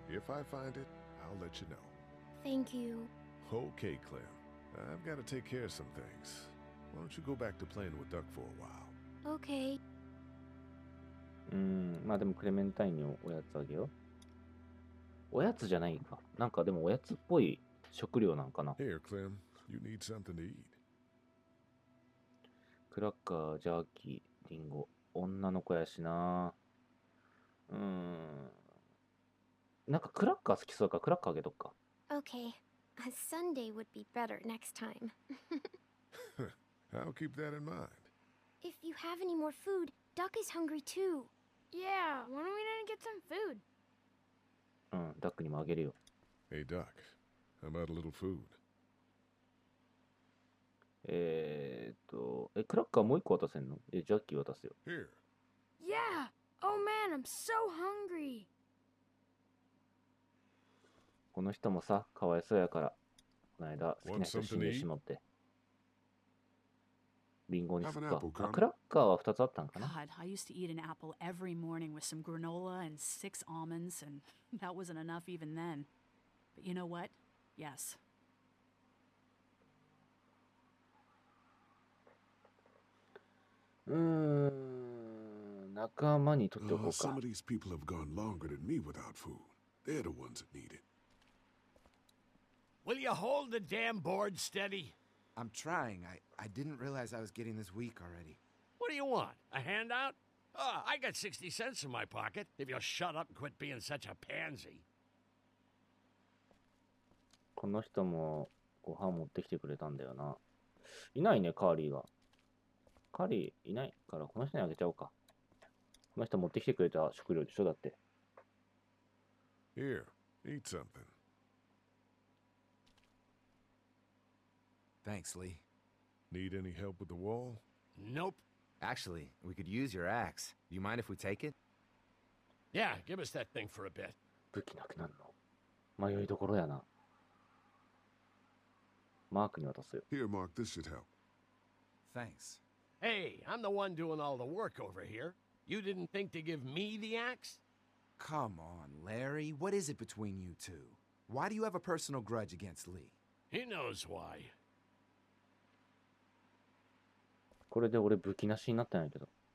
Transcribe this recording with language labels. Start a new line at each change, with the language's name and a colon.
English: If I find it, I'll let you know. Thank you. Okay, Clem. I've got to take care of some things. Why don't you go back to playing with Duck for a while? Okay.
Japanese: まあでもクレメンタインにおやつあげよう。おやつじゃないか。なんかでもおやつっぽい食料なんかな。
English: Here, Clem. You need something to eat.
Japanese: クラッカー、ジャーキー、リンゴ。女の子やしな。なんかクラッカー好きそうか。クラッカーあげとくか。
English: Okay. A Sunday would be better next time. I'll keep that in mind. If you have any more food. Duck is hungry too. Yeah, why don't we get some food?
Japanese: Duck にもあげるよ。
English: Hey, Duck. How about a little food?
Japanese: クラッカーもう一個渡せんの？ジャッキー渡すよ。
English: Here. Yeah! Oh man, I'm so hungry!
Japanese: この人もさ、かわいそうやから。この間、好きな人死んでしまって。リンゴにすっか。あ、クラッカーは2つあったんかな。
English: God, I used to eat an apple every morning with some granola and six almonds, and that wasn't enough even then. But you know what? Yes. Some of these people have gone longer than me without food. They're the ones that need it. Will you hold the damn board steady? I'm trying. I didn't realize I was getting this weak already. What do you want? A handout? Oh, I got 60 cents in my pocket. If you'll shut up and quit being such a pansy.
Japanese: この人もご飯持ってきてくれたんだよな。いないね、カーリーが。カーリーいないからこの人にあげちゃおうか。この人持ってきてくれた食料でしょ、だって。
English: Here, eat something. Thanks, Lee. Need any help with the wall? Nope. Actually, we could use your axe. Do you mind if we take it? Yeah, give us that thing for a bit.
Japanese: 武器なくなるの。迷いどころやな。マークに渡すよ。
English: Here, Mark, this should help. Thanks. Hey, I'm the one doing all the work over here. You didn't think to give me the axe? Come on, Larry. What is it between you two? Why do you have a personal grudge against Lee? He knows why.
Japanese: これで俺武器なしになってないけど。